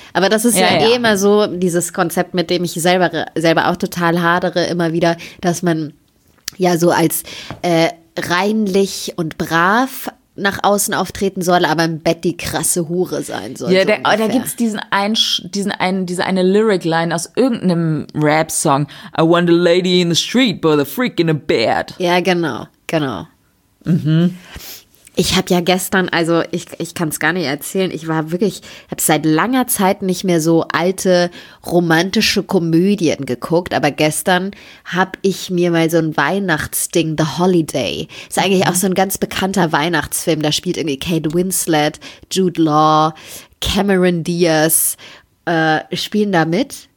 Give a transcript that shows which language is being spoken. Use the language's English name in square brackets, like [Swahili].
[German] Aber das ist ja eh immer so, dieses Konzept, mit dem ich selber auch total hadere, immer wieder, dass man ja so als reinlich und brav nach außen auftreten soll, aber im Bett die krasse Hure sein soll. Ja, so da gibt es diese eine Lyric-Line aus irgendeinem Rap-Song. [English] I want a lady in the street, but a freak in a bed. [German] Ja, genau. Mhm. Ich habe ja gestern, also ich kann es gar nicht erzählen, ich war wirklich, habe seit langer Zeit nicht mehr so alte romantische Komödien geguckt, aber gestern habe ich mir mal so ein Weihnachtsding, The Holiday, ist eigentlich auch so ein ganz bekannter Weihnachtsfilm, da spielt irgendwie Kate Winslet, Jude Law, Cameron Diaz, spielen da mit.